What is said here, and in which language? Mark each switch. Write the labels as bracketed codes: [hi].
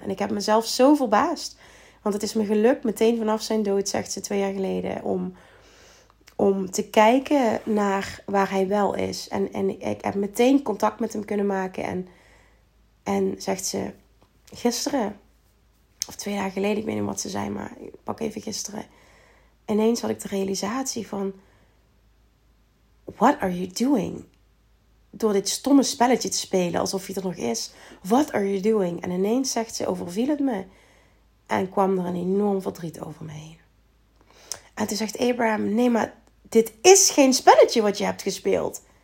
[nl] En ik heb mezelf zo verbaasd. Want het is me gelukt meteen vanaf zijn dood, zegt ze 2 jaar geleden, om te kijken naar waar hij wel is. En ik heb meteen contact met hem kunnen maken. En zegt ze, gisteren, of 2 dagen geleden, ik weet niet wat ze zei, maar ik pak even gisteren. Ineens had ik de realisatie van, [en] what are you doing? [nl] Door dit stomme spelletje te spelen, alsof hij er nog is. [en] What are you doing? [nl] En ineens, zegt ze, overviel het me. En kwam er een enorm verdriet over me heen. En toen zegt Abraham, nee, maar dit is geen spelletje wat je hebt gespeeld.